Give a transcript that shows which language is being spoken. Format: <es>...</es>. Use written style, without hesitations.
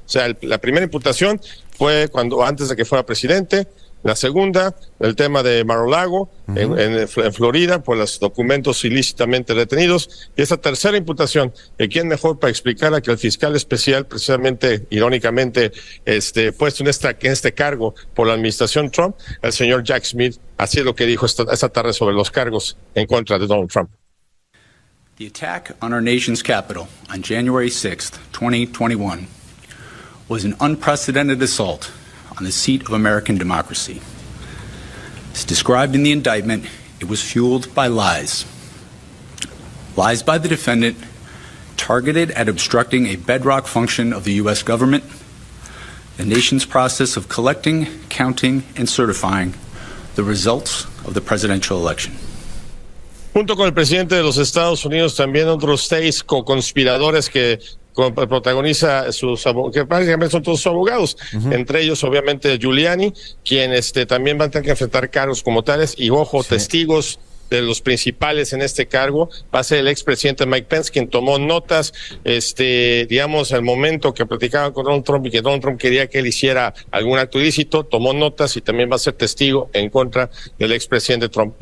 <es>O sea, la primera imputación fue cuando antes de que fuera presidente, la segunda, el tema de Mar-a-Lago, uh-huh, en Florida, por los documentos ilícitamente retenidos, y esta tercera imputación, ¿quién mejor para explicarla que el fiscal especial, precisamente, irónicamente, puesto en este cargo por la administración Trump, el señor Jack Smith? Así es lo que dijo esta tarde sobre los cargos en contra de Donald Trump.</es> <en>The attack on our nation's capital on January 6th, 2021 was an unprecedented assault on the seat of American democracy. As described in the indictment, it was fueled by lies. Lies by the defendant targeted at obstructing a bedrock function of the U.S. government, the nation's process of collecting, counting, and certifying the results of the presidential election.</en> <es>Junto con el presidente de los Estados Unidos, también otros seis co-conspiradores que protagoniza sus abogados, que prácticamente son todos sus abogados, uh-huh, entre ellos obviamente Giuliani, quien también va a tener que enfrentar cargos como tales, y ojo, sí, testigos de los principales en este cargo, va a ser el expresidente Mike Pence, quien tomó notas, digamos, el momento que platicaba con Donald Trump y que Donald Trump quería que él hiciera algún acto ilícito, tomó notas y también va a ser testigo en contra del expresidente Trump.</es>